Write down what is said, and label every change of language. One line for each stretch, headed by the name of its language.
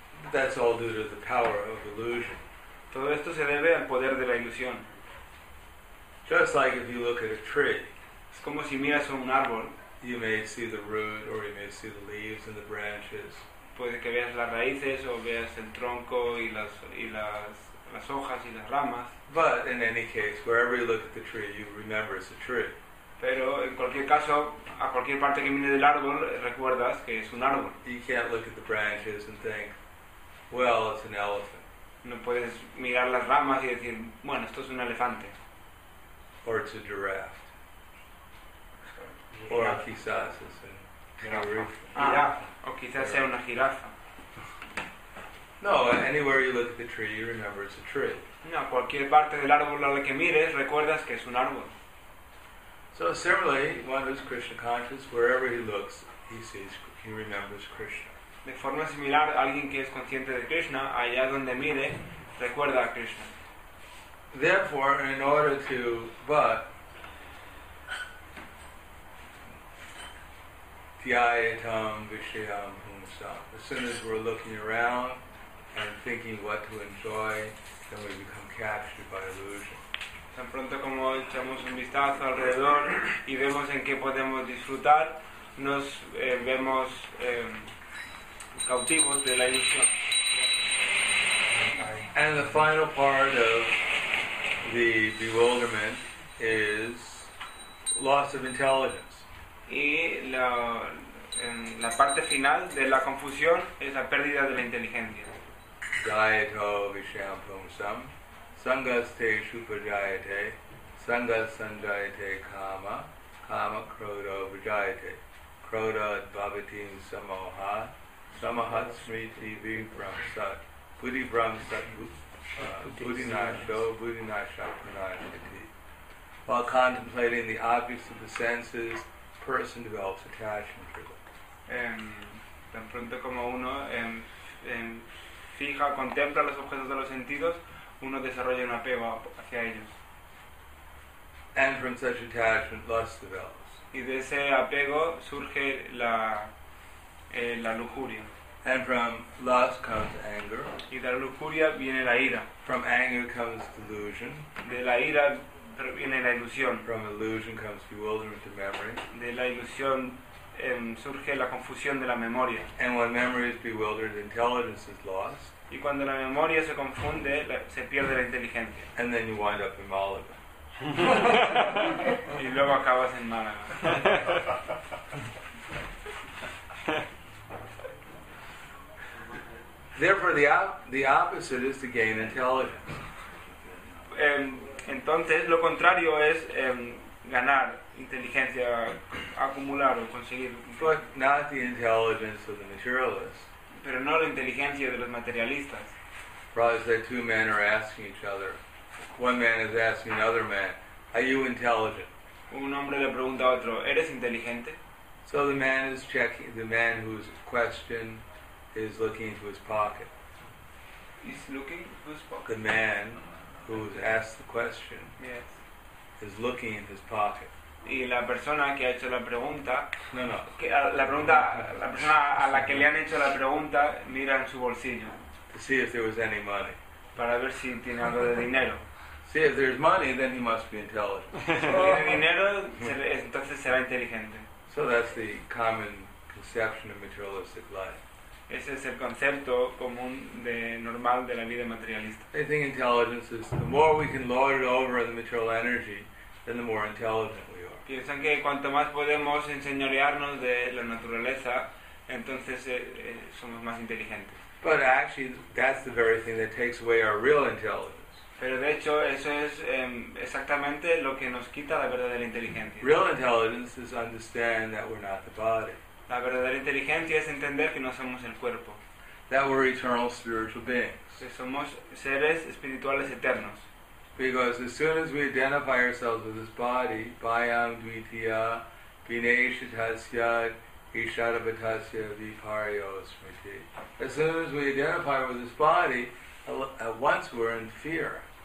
English: That's all due to the power of illusion.
Spanish: Todo esto se debe al poder de la ilusión.
English: Just like if you look at a tree,
Spanish: es como si miras un árbol.
English: You may see the root, or you may see the leaves and the branches.
Spanish: Puede que veas las raíces o veas el tronco y las hojas y las ramas.
English: But in any case, wherever you look at the tree, you remember it's a tree.
Spanish: Pero en cualquier caso, a cualquier parte que mires del árbol, recuerdas que es un árbol.
English: You can't look at the branches and think, well, it's an elephant.
Spanish: No puedes mirar las ramas y decir, bueno, esto es un elefante.
English: Or it's a giraffe.
Spanish: Or quizás es una jirafa. O quizás sea una jirafa.
English: No, anywhere you look at the tree, you remember it's a tree.
Spanish: No, cualquier parte del árbol a la que mires, recuerdas que es un árbol.
English: So similarly, one who's Krishna conscious, wherever he looks, he sees, he remembers Krishna.
Spanish: De forma similar, alguien que es consciente de Krishna, allá donde mire, recuerda a Krishna.
English: Therefore, in order to, but,
Sanskrit: dhyayatam vishayam humasam.
English: As soon as we're looking around and thinking what to enjoy, then we become captured by illusion.
Spanish: Tan pronto como echamos un vistazo alrededor y vemos en qué podemos disfrutar, nos vemos cautivos de la ilusión.
English: And the final part of the bewilderment is loss of intelligence.
Spanish: Y la, en la parte final de la confusión es la pérdida de la inteligencia.
Sanskrit: Dhyayato visham pumsam. Sangaste shupajayate, sangas sanjayate kama, kama krodo vajayate, krodo bhavatim samoha, samahat smriti vibramsat, buddhibramsat buddhinasho, buddhinashapunayate.
English: While contemplating the objects of the senses, person develops attachment to them.
Spanish: Tan pronto como uno fija, contempla los objetos de los sentidos, uno desarrolla un apego hacia ellos.
English: And from such attachment, lust develops.
Spanish: Y de ese apego surge la, la lujuria.
English: And from lust comes anger.
Spanish: Y de la lujuria viene la ira.
English: From anger comes delusion.
Spanish: De la ira viene la ilusión.
English: From illusion comes bewilderment to memory.
Spanish: De la ilusión surge la confusión de la memoria.
English: And when memory is bewildered, intelligence is lost.
Spanish: Y cuando la memoria se confunde, se pierde la inteligencia.
English: And then you wind up in Málaga.
Spanish: Y luego acabas en Málaga.
English: Therefore, the opposite is to gain intelligence.
Spanish: Entonces, lo contrario es ganar inteligencia, acumular o conseguir.
English: But not the intelligence of the materialist.
Spanish: Pero no la inteligencia de los materialistas.
English: Probably say two men are asking each other. One man is asking another man, are you intelligent?
Spanish: Un hombre le pregunta a otro, ¿eres inteligente?
English: So the man is checking, the man whose question is looking into his pocket. He's looking into his pocket? The man who's asked the question, yes, is looking in his pocket.
Spanish: Y la persona que ha hecho la pregunta, no, no. Que, la pregunta, la persona a la que le han hecho la pregunta mira en su bolsillo.
English: To see if there was any money.
Spanish: Para ver si tiene algo de dinero.
English: See if there's money, then he must be intelligent.
Spanish: Si tiene dinero, entonces será inteligente.
English: So that's the common conception of materialistic life.
Spanish: Ese es el concepto común de normal de la vida materialista.
English: I think intelligence is the more we can lord it over the material energy, then the more intelligent we are.
Spanish: Piensan que cuanto más podemos enseñorearnos de la naturaleza, entonces somos más inteligentes.
English: But actually, that's the very thing that takes away our real intelligence.
Spanish: Pero de hecho, eso es exactamente lo que nos quita la verdadera inteligencia.
English: Real intelligence is understand that we're not the body.
Spanish: La verdadera inteligencia es entender que no somos el cuerpo.
English: That we're eternal spiritual beings.
Spanish: Que somos seres espirituales eternos.
English: Because as soon as we identify ourselves with this body,
Sanskrit: bhayam dvitiya vineshatasya ishadabhatasya vipariyo smriti.
English: As soon as we identify with this body, at once we're in fear.